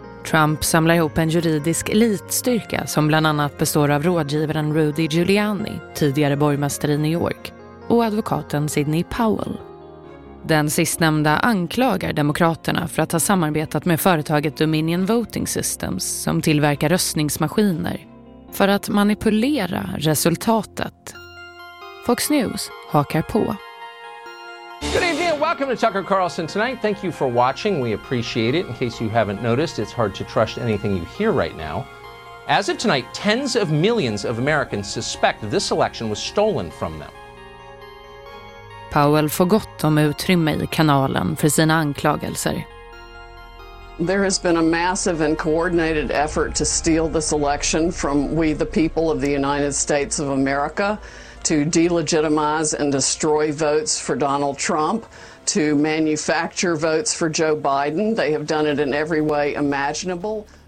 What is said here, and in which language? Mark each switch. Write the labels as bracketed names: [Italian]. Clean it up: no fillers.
[Swedish] Trump samlar ihop en juridisk elitstyrka som bland annat består av rådgivaren Rudy Giuliani, tidigare borgmästare i New York, och advokaten Sidney Powell. Den sistnämnda anklagar demokraterna för att ha samarbetat med företaget Dominion Voting Systems, som tillverkar röstningsmaskiner, för att manipulera resultatet. Fox News hakar på. [English] Good evening and welcome to Tucker Carlson Tonight. Thank you for watching. We appreciate it. In case you haven't noticed, it's hard to trust anything you hear right now. As of tonight, tens of millions of Americans suspect this election was stolen from them. [Swedish] Powell får gott om utrymme i kanalen för sina anklagelser. [English] There has been a massive and coordinated effort to steal this election from we the people of the United States of America, to delegitimize and destroy votes for Donald Trump, to manufacture votes for Joe Biden. They have done it in every way imaginable.